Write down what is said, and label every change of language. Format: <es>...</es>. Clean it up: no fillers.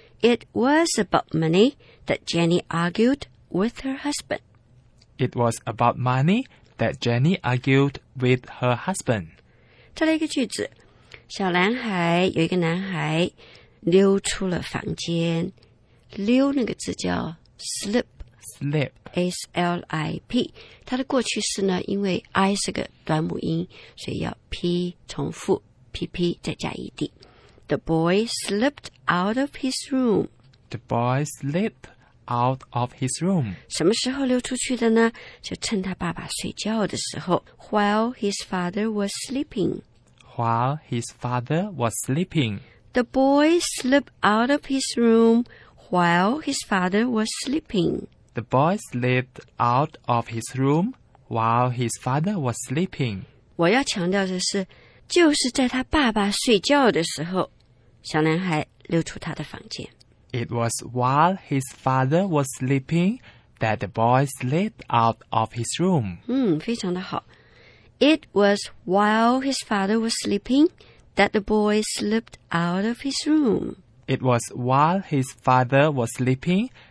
<en>It was about money that Jenny argued with her husband. It was about money that Jenny argued with her husband.</en> <zh>再来一个句子，小男孩有一个男孩溜出了房间，溜那个字叫 slip.</zh> <en>Slip.</en> <zh>S-L-I-P. 它的过去式呢，因为 I 是个短母音，所以要 P 重复 PP 再加 ED.</zh> <en>The boy slipped out of his room. The boy slipped out of his room.</en> <zh>什么时候溜出去的呢？就趁他爸爸睡觉的时候。</zh> <en>While his father was sleeping. While his father was sleeping. The boy slipped out of his room while his father was sleeping. The boy slipped out of his room while his father was sleeping.</en> <zh>我要强调的是，就是在他爸爸睡觉的时候，小男孩溜出他的房间。</zh> <en>It was while his father was sleeping that the boy slipped out of his room.</en> <zh>非常的好。</zh> <en>It was while his father was sleeping that the boy slipped out of his room. It was while his father was sleeping.</en>